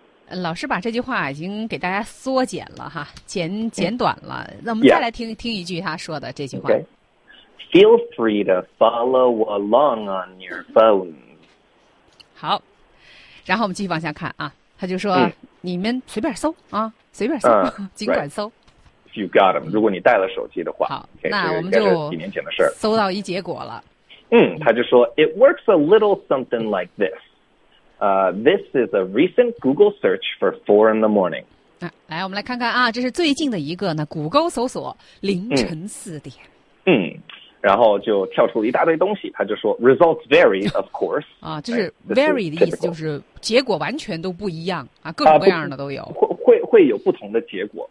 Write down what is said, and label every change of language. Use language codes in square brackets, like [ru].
[zh] 老师把这句话已经给大家缩减了哈，简短了。那我们再来听一句他说的这句话。 [en] Okay. Feel free to follow along on your phone. [zh] 好，然后我们继续往下看啊。他就说，你们随便搜啊，随便搜，尽管搜。 [en] Right. If you got them， [zh] 如果你带了手机的话。好， [en] okay, [zh] 那我们就几年前的事儿。搜到一结果了。他就说 [en] ，It works a little something like this. This is a recent Google search for four in the morning. [zh] 来，我们来看看啊，这是最近的一个呢，谷歌搜索凌晨四点。然后就跳出了一大堆东西，他就说 [en] results vary of course [zh] 啊，就是 vary 的意思就是结果完全都不一样啊，各种各样的都有，会有不同的结果，